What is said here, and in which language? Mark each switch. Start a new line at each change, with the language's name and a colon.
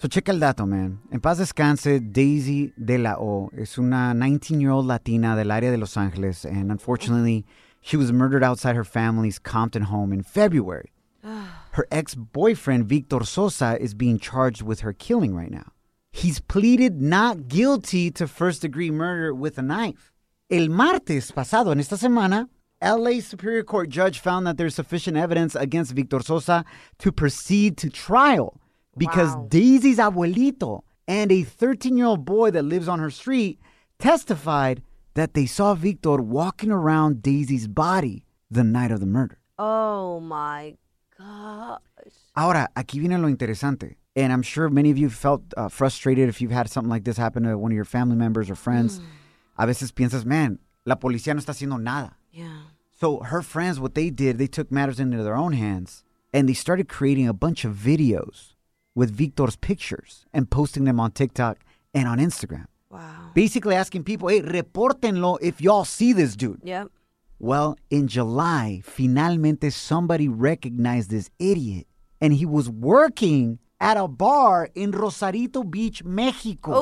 Spanish: So checa el dato, man. En paz descanse, Daisy De La O es una 19-year-old Latina del área de Los Ángeles.
English: And unfortunately, she was murdered outside her family's Compton home in February. Her ex-boyfriend, Victor Sosa, is being charged with her killing right now. He's pleaded not guilty to first-degree murder with a knife.
Spanish: El martes pasado, en esta semana, L.A.
English: Superior Court judge found that there's sufficient evidence against Victor Sosa to proceed to trial because Daisy's abuelito and a 13-year-old boy that lives on her street testified that they saw Victor walking around Daisy's body the night of the murder. Oh, my gosh.
Spanish: Ahora, aquí viene lo interesante.
English: And I'm sure many of you felt frustrated if you've had something like this happen to one of your family members or friends.
Spanish: A veces piensas, man, la policía no está haciendo nada.
English: Yeah. So her friends, what they did, they took matters into their own hands and they started creating a bunch of videos with Victor's pictures and posting them on TikTok and on Instagram. Wow. Basically asking people, hey, reportenlo if y'all see this dude. Yep. Well, in July, finalmente somebody recognized this idiot, and he was working at a bar in Rosarito Beach, Mexico.